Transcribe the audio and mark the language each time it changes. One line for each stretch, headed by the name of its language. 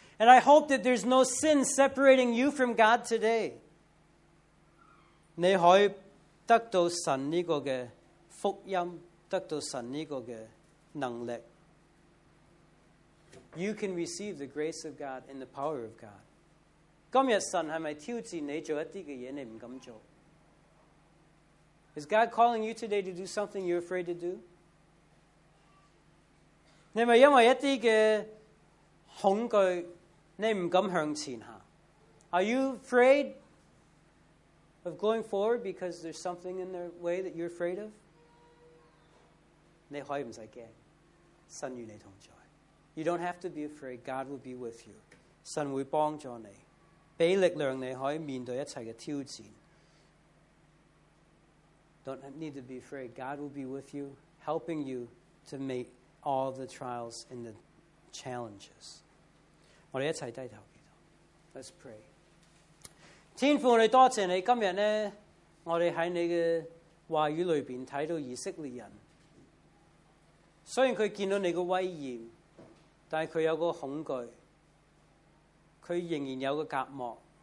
English: And I hope that there's no sin separating you from God today.
Chinese: 你可以得到神这个福音, 得到神这个能力。
English: You can receive the grace of God and the power of God.
Chinese: 今天神是不是挑战你做一些事情你不敢做?
English: Is God calling you today to do something you're afraid to do?
Chinese: 你是不是因为一些恐惧, 你不敢向前行?
English: Are you afraid of going forward because there's something in their way that you're afraid of?
Chinese: 你可以不用怕, 神与你同在。
English: You don't have to be afraid. God will be with you.
Chinese: 神会帮助你, 给力量你可以面对一切的挑战。
English: Don't need to be afraid. God will be with you, helping you to meet all the trials and the challenges.
Chinese: 我们一起低头祈祷。
English: Let's pray.
Chinese: 天父，我们多谢你今天呢, 我们在你的话语里面看到以色列人, 虽然他见到你的威严, 但他有个恐惧, 他仍然有个隔膜。